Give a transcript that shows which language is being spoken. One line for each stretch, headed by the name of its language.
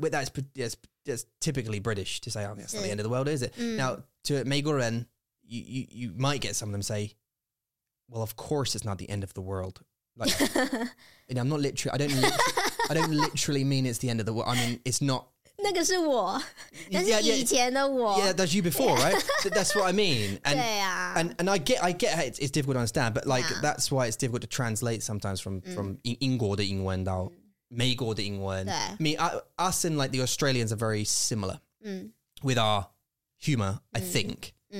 English: But that's typically British to say, "Oh, that's not the end of the world, is it?" Now, to 美国人, you might get some of them say, "Well, of course it's not the end of the world." Like, you know, I'm not literally. I don't literally mean it's the end of the world. I mean, it's not.
Chinese: 那个是我，那是以前的我。
English: Yeah, that's you before, right? So that's what I mean. And,
Chinese: 对啊。
English: I get how it's difficult to understand, but like that's why it's difficult to translate sometimes from
Chinese: 英国的英文到美国的英文。对。
English: I mean, us and like the Australians are very similar with our humour, I think.